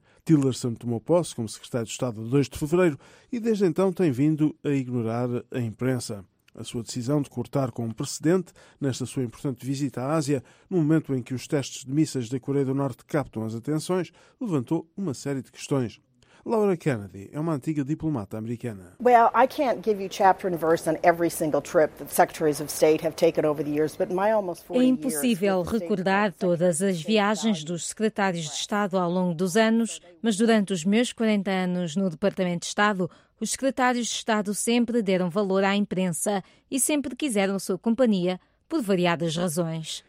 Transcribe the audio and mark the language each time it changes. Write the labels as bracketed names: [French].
[Portuguese] Tillerson tomou posse como secretário de Estado 2 de fevereiro e desde então tem vindo a ignorar a imprensa. A sua decisão de cortar com um precedente nesta sua importante visita à Ásia, no momento em que os testes de mísseis da Coreia do Norte captam as atenções, levantou uma série de questões. Laura Kennedy é uma antiga diplomata americana. [English] Well, I can't give you chapter and verse on every single trip that secretaries of state have taken over the years, but my almost 40 years. [Portuguese] É impossível recordar todas as viagens dos secretários de Estado ao longo dos anos, mas durante os meus 40 anos no Departamento de Estado, os secretários de Estado sempre deram valor à imprensa e sempre quiseram sua companhia, por variadas razões.